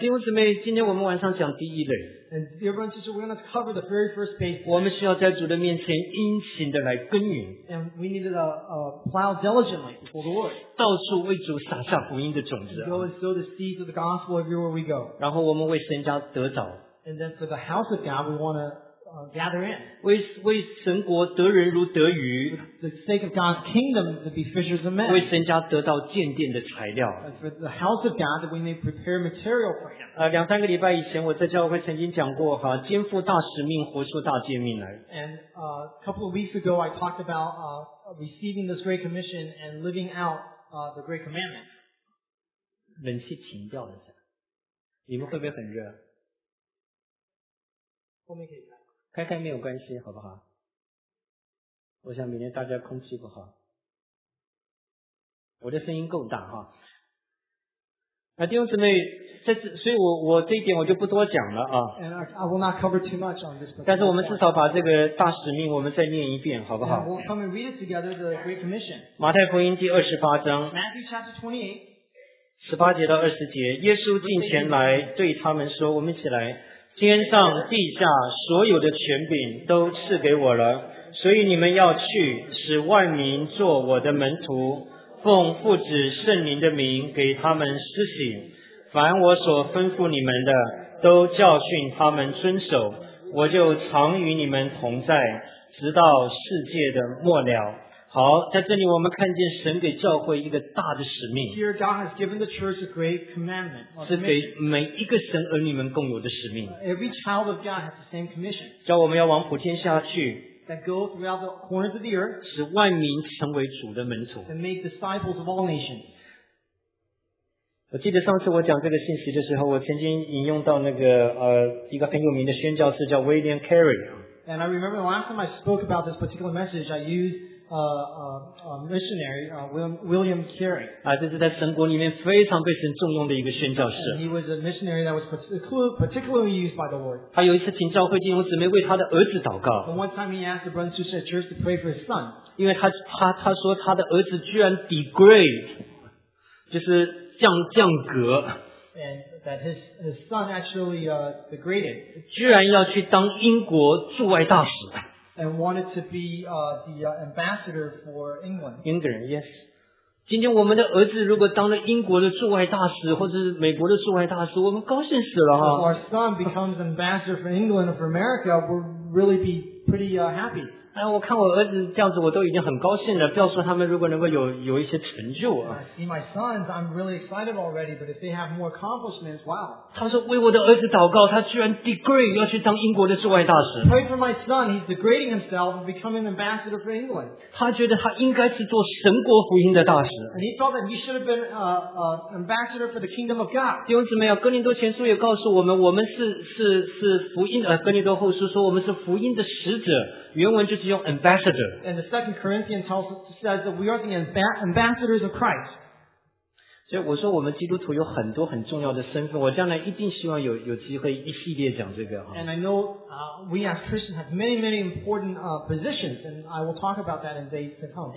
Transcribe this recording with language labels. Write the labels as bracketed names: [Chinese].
[Chinese] 弟兄姊妹今天我们晚上讲第一类 [English] And dear brothers and sisters, we're going to cover the very first basis [Chinese] 我们需要在主的面前殷勤的来耕耘 [English] And we need to plow diligently before the Lord [Chinese] 到处为主撒下福音的种子 [English] Go and sow the seeds of the gospel everywhere we go [Chinese] 然后我们为神家得着 [English] And then for the house of God, we want toGather in. [Chinese] 为神国得人如得鱼 [English] The sake of God's kingdom to be fishers of men. [Chinese] 为神家得到建殿的材料 [English] And for the house of God that we may prepare material for him. [Chinese] 两三个礼拜以前我在教会曾经讲过哈肩负大使命活出大诫命来 [English] And a couple of weeks ago I talked about receiving this great commission and living out the great commandment. [Chinese] 冷气停掉了一下你们会不会很热后面可以看开开没有关系好不好我想明天大家空气不好我的声音够大哈弟兄姊妹这次所以 我这一点我就不多讲了啊 [English] much, [Chinese] 但是我们至少把这个大使命我们再念一遍好不好 [English] we'll come and read it together, the Great Commission. [Chinese] 马太福音第二十八章 [English] Matthew chapter 28, [Chinese] 十八节到二十节耶稣近前来对他们说我们一起来天上地下所有的权柄都赐给我了所以你们要去使万民做我的门徒奉父子圣灵的名给他们施洗凡我所吩咐你们的都教训他们遵守我就常与你们同在直到世界的末了好在这里我们看见神给教会一个大的使命 [English] Here God has given the church a great commandment [Chinese] 是给每一个神儿女们共有的使命 [English] Every child of God has the same commission [Chinese] 叫我们要往普天下去 [English] That go throughout the corners of the earth [Chinese] 使万民成为主的门徒 [English] And make disciples of all nations [Chinese] 我记得上次我讲这个信息的时候我曾经引用到那个一个很有名的宣教士叫 William Carey [English] And I remember the last time I spoke about this particular message I usedmissionary, William Carey. [Chinese] 这是在神国里面非常被神重用的一个宣教士。 [English] And he was a missionary that was particularly used by the Lord. [Chinese] 他有一次请教会弟兄姊妹为他的儿子祷告。 [English] And one time he asked the brothers and sisters at church to pray for his son. [Chinese] 因为他说他的儿子居然 degrade, 就是降格。 [English] And that his son actually degraded. [Chinese] 居然要去当英国驻外大使。 [English] And wanted to be the ambassador for England. England, yes. [Chinese] 今天我们的儿子如果当了英国的驻外大使或者是美国的驻外大使我们高兴死了哈。 [English] If our son becomes ambassador for England or for America, we'll really be pretty happy. [Chinese] 我看我儿子这样子我都已经很高兴了不要说他们如果能够有一些成就啊。 [English] I see my sons, I'm really excited already, but if they have more accomplishments, wow. [Chinese] 他说为我的儿子祷告他居然 degrade 要去当英国的驻外大使。 [English] Pray for my son, he's degrading himself and becoming an ambassador for England. [Chinese] 他觉得他应该是做神国福音的大使。 [English] And he thought that he should have been ambassador for the kingdom of God. [Chinese] 弟兄姊妹啊哥林多前书也告诉我们我们是福音哥林多后书说我们是福音的使者原文就是用 ambassador [English] and the 2nd Corinthians says that we are the ambassadors of Christ [Chinese] 所以我说我们基督徒有很多很重要的身份，我将来一定希望 有机会一系列讲这个。 [English] And I know we as Christians have many many important positions, and I will talk about that in days to come.